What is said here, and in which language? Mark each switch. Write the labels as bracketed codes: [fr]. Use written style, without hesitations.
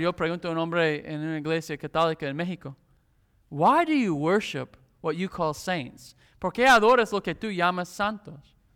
[es] Yo pregunto a un hombre en una iglesia católica en México. [en] Why do you worship what you call saints? [es] ¿Por qué adoras lo que tú llamas santos?